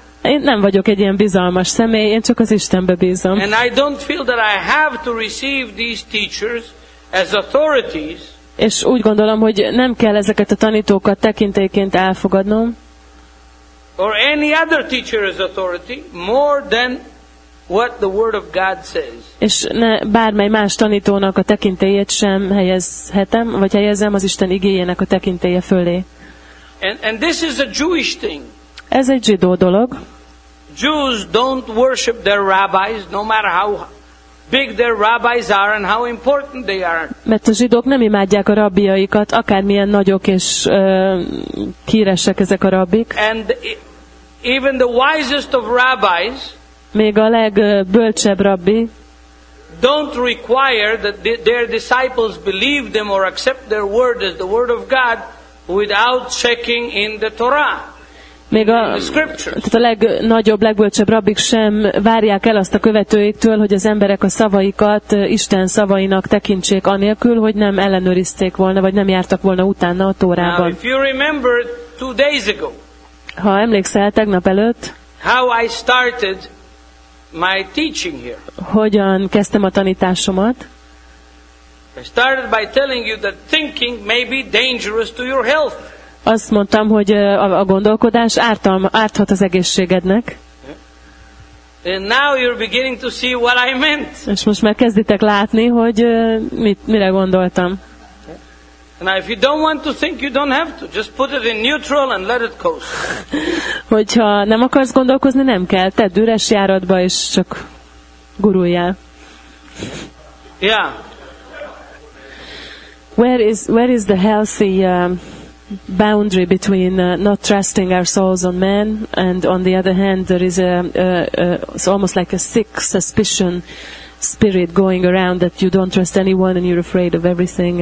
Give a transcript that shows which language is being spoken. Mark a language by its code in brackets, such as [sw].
[hu] Én nem vagyok egy ilyen bizalmas személy, én csak az Istenbe bízom. [en] And I don't feel that I have to receive these teachers as authorities. [hu] És úgy gondolom, hogy nem kell ezeket a tanítókat tekintélyként elfogadnom. [en] Or any other teacher as authority more than what the word of God says. [hu] És ne bármely más tanítónak a tekintélyét sem helyezhetem, vagy helyezem az Isten igéjének a tekintélye fölé. [en] And this is a Jewish thing. [hu] Ez egy zsidó dolog. [en] Jews don't worship their rabbis, no matter how big their rabbis are and how important they are. [hu] Mert a zsidók nem imádják a rabbiaikat, akármilyen nagyok és híresek ezek a rabbik. [en] And even the wisest of rabbis, [hu] még a legbölcsebb rabbi, [en] don't require that their disciples believe them or accept their word as the word of God without checking in the Torah. [hu] Még a legnagyobb, legbölcsebb rabbik sem várják el azt a követőiktől, hogy az emberek a szavaikat Isten szavainak tekintsék anélkül, hogy nem ellenőrizték volna, vagy nem jártak volna utána a Tórában. [en] Now, if you remember, two days ago, [hu] ha emlékszel tegnap előtt, [en] how I started my teaching here. [hu] Hogyan kezdtem a tanításomat? [en] I started by telling you that thinking may be dangerous to your health. [hu] Azt mondtam, hogy a gondolkodás árthat az egészségednek. [en] And now you're beginning to see what I meant. [hu] És most már kezditek látni, hogy mire gondoltam. [en] Now if you don't want to think, you don't have to. Just put it in neutral and let it coast. [hu] Hogyha nem akarsz gondolkozni, nem kell. Tedd üres járatba, és csak guruljál. [en] Yeah. Where is the healthy boundary between not trusting our souls on men, and on the other hand there is it's almost like a sick suspicion spirit going around that you don't trust anyone and you're afraid of everything.